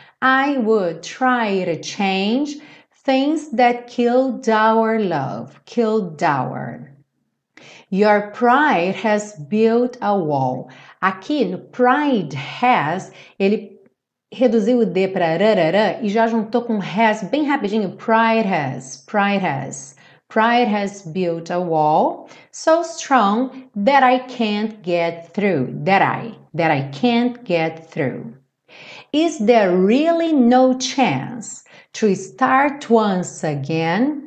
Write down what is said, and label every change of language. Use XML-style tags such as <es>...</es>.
<en>I would try to change things that killed our love, killed our. Your pride has built a wall.</en> <pt>Aqui no</pt> <en>pride has,</en> <pt>ele reduziu o D para rarara e já juntou com has bem rapidinho.</pt> <en>Pride has, pride has. Pride has built a wall so strong that I can't get through. That I can't get through. Is there really no chance to start once again?</en>